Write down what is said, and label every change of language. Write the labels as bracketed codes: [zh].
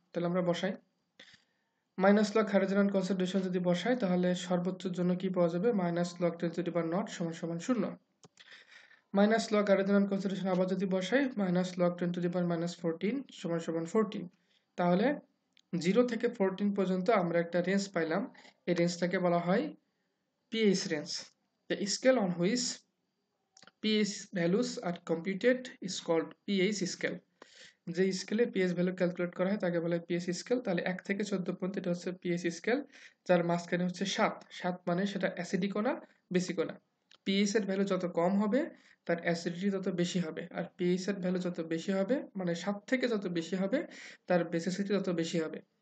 [bn] তাহলে আমরা বসাই, minus log hydrogen ion concentration যদি বসাই তাহলে সর্বোচ্চের জন্য কি পাওয়া যাবে, মাইনাস লগ 10^0 সমান সমান 0। Minus log hydrogen ion concentration আবার যদি বসাই, মাইনাস লগ 10^-14 সমান সমান 14, তাহলে 0 থেকে 14 পর্যন্ত আমরা একটা রেঞ্জ পাইলাম, এই রেঞ্জটাকে বলা হয় pH range. [en] The scale on which pH values are computed is called pH scale. [bn] যে স্কেলে পিএইচ ভ্যালু ক্যালকুলেট করা হয় তাকে বলে পিএইচ স্কেল। তাহলে 1 থেকে 14 পর্যন্ত এটা হচ্ছে পিএইচ স্কেল, যার মাঝখানে হচ্ছে 7। 7 মানে সেটা অ্যাসিডিক না বেসিক না। পিএইচ এর ভ্যালু যত কম হবে তার অ্যাসিডিটি তত বেশি হবে, আর পিএইচ এর ভ্যালু যত বেশি হবে মানে 7 থেকে যত বেশি হবে তার বেসিসিটি তত বেশি হবে।